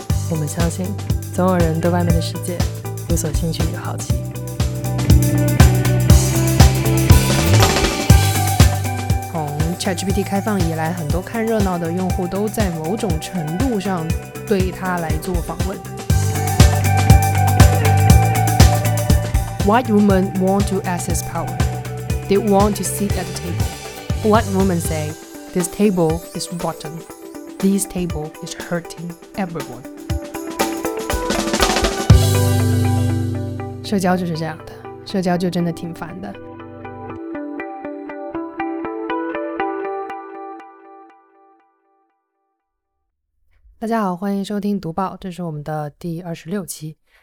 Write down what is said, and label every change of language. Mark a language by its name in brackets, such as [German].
[Chinese] 我们相信总有人对外面的世界有所兴趣与好奇。从 ChatGPT 开放以来，很多看热闹的用户都在某种程度上对它来做访问。 [English] White women want to access power. They want to sit at the table. White women say, this table is rotten. This table is hurting everyone. [Chinese] 社交就是这样的，社交就真的挺烦的。大家好，欢迎收听读报，这是我们的第26期。